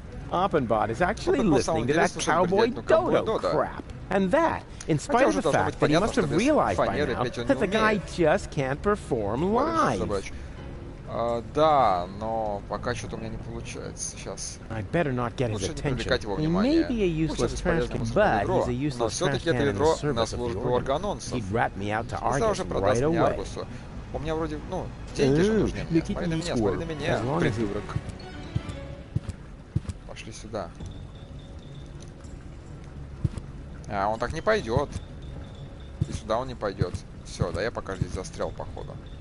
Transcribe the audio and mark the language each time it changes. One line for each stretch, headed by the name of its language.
English: Oppenbot is actually listening to that cowboy Dodo crap. And that, in spite of the fact that he must have realized by now that the guy just can't perform live.
Russian: Да, но пока что-то у меня не получается сейчас.
English: I better not get his attention. He may be a useless trash can, but he's a useless trash can in the service of Organons. He'd rat me out to Argus right away.
Russian: У меня вроде, ну, деньги же нужны. Смотри на меня, смотри на меня, придурок. Пошли сюда. А, он так не пойдет. И сюда он не пойдет. Все, да я пока здесь застрял, походу.